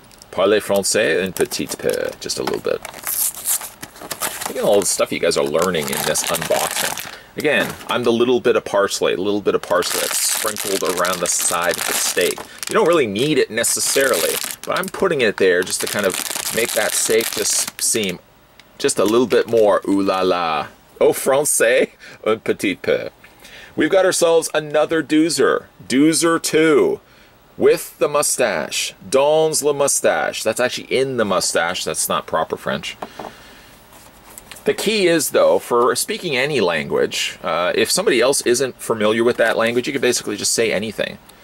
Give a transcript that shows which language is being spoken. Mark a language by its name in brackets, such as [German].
[French] Parlez français un petit peu, [English] just a little bit. Look at all the stuff you guys are learning in this unboxing. Again, I'm the little bit of parsley, that's sprinkled around the side of the steak. You don't really need it necessarily, but I'm putting it there just to kind of make that steak just seem just a little bit more ooh la la. [French] Au français, un petit peu. [English] We've got ourselves another doozer. Doozer 2 with the mustache. [French] Dans le mustache. [English] That's actually in the mustache. That's not proper French. The key is, though, for speaking any language, if somebody else isn't familiar with that language, you can basically just say anything.